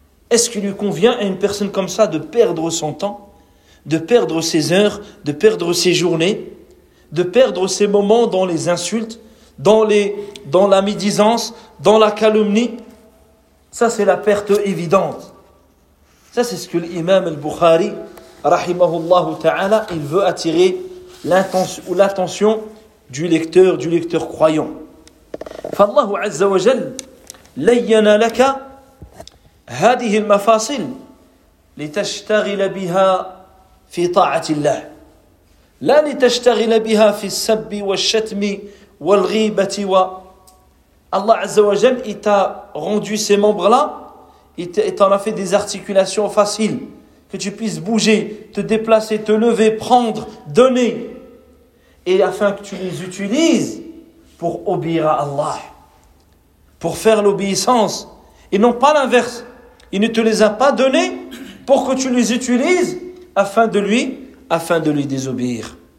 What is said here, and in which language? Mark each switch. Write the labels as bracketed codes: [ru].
[fr] Est-ce qu'il lui convient à une personne comme ça de perdre son temps, de perdre ses heures, de perdre ses journées, de perdre ses moments dans les insultes, dans la médisance, dans la calomnie? Ça, c'est la perte évidente. Ça, c'est ce que l'imam al-Bukhari rahimahullah ta'ala, il veut attirer l'attention du lecteur croyant. [ar] فالله عز وجل لين لك هذه المفاصل لتشتغل بها في طاعة الله لا لتشتغل بها في السب والشتم والغيبة و الله عز وجل [fr] il t'a rendu ces membres là il t'en a fait des articulations faciles. Que tu puisses bouger, te déplacer, te lever, prendre, donner. Et afin que tu les utilises pour obéir à Allah. Pour faire l'obéissance. Et non pas l'inverse. il ne te les a pas donnés pour que tu les utilises afin de lui désobéir.